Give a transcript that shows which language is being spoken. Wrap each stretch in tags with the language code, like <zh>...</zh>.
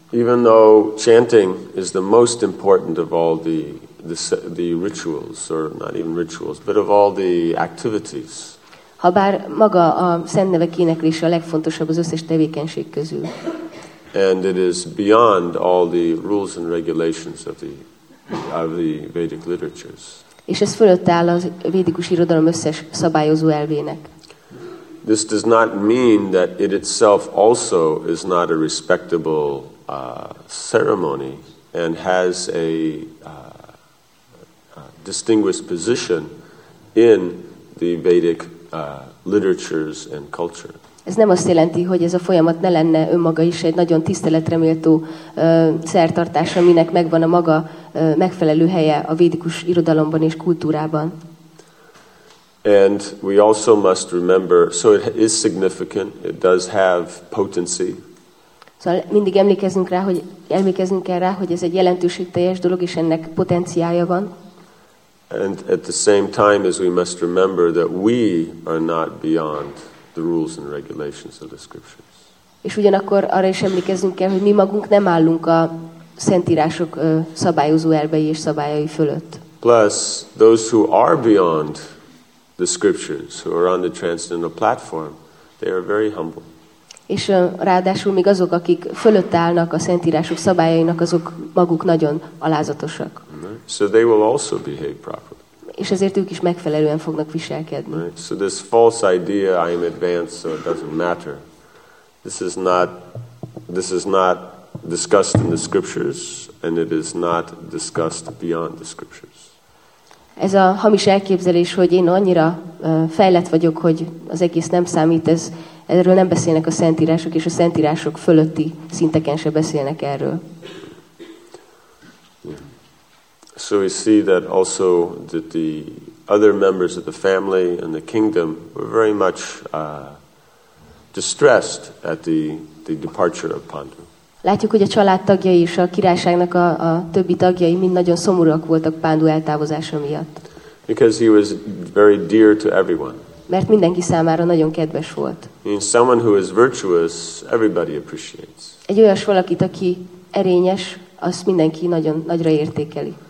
<en>Even though chanting is the most important of all the rituals, or not even rituals, but of all the activities.</en> <hu>Habár maga a szent nevek éneklése a legfontosabb az összes tevékenység közül.</hu> <en>And it is beyond all the rules and regulations of the Vedic literatures.</en> <hu>És ez fölött áll az védikus irodalom összes szabályozó elvének.</hu> <en>This does not mean that it itself also is not a respectable ceremony and has a distinguished position in the Vedic literatures and culture.</en> <hu>Ez nem azt jelenti, hogy ez a folyamat ne lenne önmaga is egy nagyon tiszteletreméltó szertartás, aminek megvan a maga megfelelő helye a védikus irodalomban és kultúrában.</hu> <en>And we also must remember, so it is significant, it does have potency.</en> <hu>Szóval mindig emlékezzünk rá, hogy ez egy jelentőségteljes dolog, és ennek potenciája van.</hu> <en>And at the same time, as we must remember that we are not beyond the rules and regulations of the scriptures.</en> <hu>És ugyanakkor arra is emlékezzünk kell, hogy mi magunk nem állunk a szentírások szabályozó elvei és szabályai fölött.</hu> <en>Plus, those who are beyond the scriptures, who are on the transcendental platform, they are very humble.</en> <hu>És ráadásul még azok, akik fölött állnak a szentírások szabályainak, azok maguk nagyon alázatosak.</hu> <en>So they will also behave properly.</en> <hu>És ezért ők is megfelelően fognak viselkedni.</hu> <en>Right. So this false idea, I am advanced, so it doesn't matter. This is not discussed in the scriptures, and it is not discussed beyond the scriptures.</en> <hu>Ez a hamis elképzelés, hogy én annyira fejlett vagyok, hogy az egész nem számít, ez erről nem beszélnek a szentírások, és a szentírások fölötti szinteken se beszélnek erről.</hu> <en>So we see that also that the other members of the family and the kingdom were very much distressed at the departure of Pandu.</en> <hu>Látjuk, hogy a családtagjai és a királyságnak a többi tagjai mind nagyon szomorúak voltak Pandu eltávozása miatt.</hu> <en>Because he was very dear to everyone.</en> <hu>Mert mindenki számára nagyon kedves volt.</hu> <en>In someone who is virtuous, everybody appreciates.</en> <hu>Egy olyas valakit, aki erényes, azt mindenki nagyon nagyra értékeli.</hu>